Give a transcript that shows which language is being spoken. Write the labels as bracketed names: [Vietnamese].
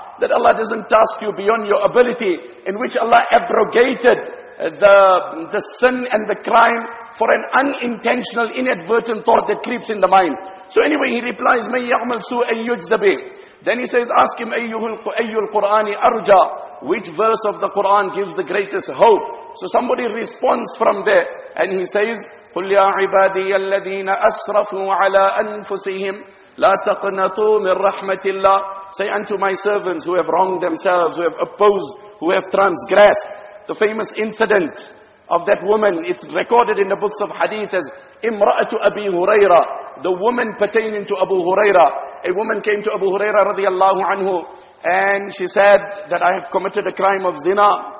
[English] That Allah doesn't task you beyond your ability, in which Allah abrogated the sin and the crime for an unintentional, inadvertent thought that creeps in the mind. So anyway, he replies, [Arabic] مَنْ يَعْمَلْ سُوءًا يُجْزَبِهِ. [English] Then he says, ask him, [Arabic] أَيُّ الْقُرْآنِ أَرْجَى. [English] Which verse of the Quran gives the greatest hope? So somebody responds from there, and he says, [Arabic] قُلْ يَا عِبَادِيَ الَّذِينَ أَسْرَفُوا عَلَىٰ أَنفُسِهِمْ لَا تَقْنَطُوا مِنْ رَحْمَةِ اللَّهِ. [English] Say unto my servants who have wronged themselves, who have opposed, who have transgressed. The famous incident of that woman, it's recorded in the books of hadith as Imra'atu Abi Huraira, the woman pertaining to Abu Huraira. A woman came to Abu Huraira radiallahu anhu, and she said that I have committed a crime of zina.